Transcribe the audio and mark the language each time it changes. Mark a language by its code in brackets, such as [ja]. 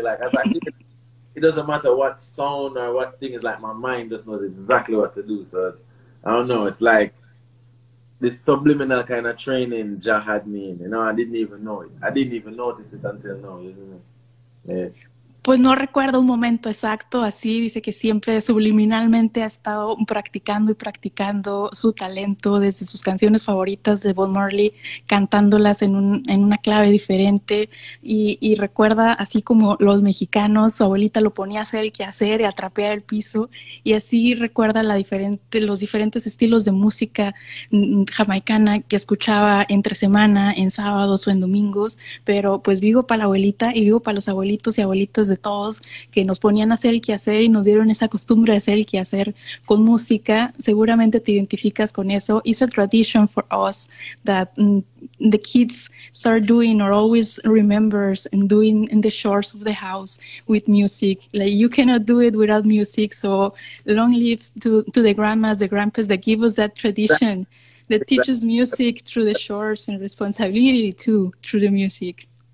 [en] Like, as I hear it, it doesn't matter what sound or what thing, it's like my mind just knows exactly what to do. So I don't know, it's like this subliminal kind of training Jah had me in, you know. I didn't even know it. I didn't even notice it until now, you know. [es] Pues no recuerdo un momento exacto, así dice que siempre subliminalmente ha estado practicando y practicando su talento desde sus canciones favoritas de Bob Marley, cantándolas en una clave diferente, y recuerda, así como los mexicanos, su abuelita lo ponía a hacer el quehacer y a trapear el piso, y así recuerda los diferentes estilos de música jamaicana que escuchaba entre semana, en sábados o en domingos. Pero pues vivo para la abuelita y vivo para los abuelitos y abuelitas de todos que nos ponían a hacer el quehacer y nos dieron esa costumbre de hacer el quehacer con música. Seguramente te identificas con eso. [en] It's a tradition for us that the kids start doing or always remembers and doing in the chores of the house with music. Like, you cannot do it without music. So long live to the grandmas, the grandpas that give us that tradition, that teaches music through the chores and responsibility too through the music.